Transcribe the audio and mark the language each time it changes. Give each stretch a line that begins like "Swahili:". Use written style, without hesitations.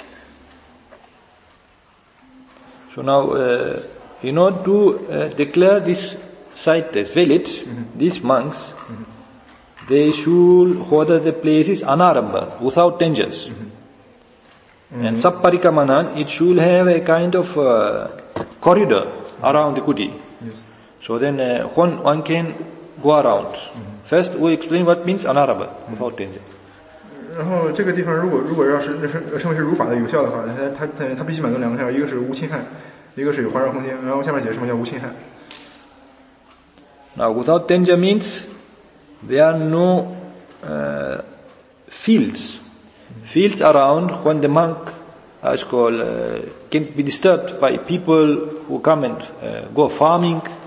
Chinese: 就是不管你最后那个就是说那个请是请整个僧团去还是请是请僧团指定两三个比过去，你必须那个先通知整个僧团，并且邀请整个僧团去。如果僧团如果整个僧团去不了的话，他可以支派两三个比过。但是你有义务首先做出通知和邀请。
English: So now, in order to declare this site as valid, these monks, they should order the places anarambha, without dangers. Mm-hmm. And sapparikamanan, it should have a kind of corridor around the kuti. Yes. So then one can go around. Mm-hmm. First, we explain what means anarambha, without danger.
Chinese: 然后这个地方如果要是称为是如法的有效的话，它必须满足两个条件，一个是无侵害，一个是有环绕空间。然后下面解释什么叫无侵害。
English: Now, without danger means there are no fields. Fields around when the monk is called can't be disturbed by people who come and go farming.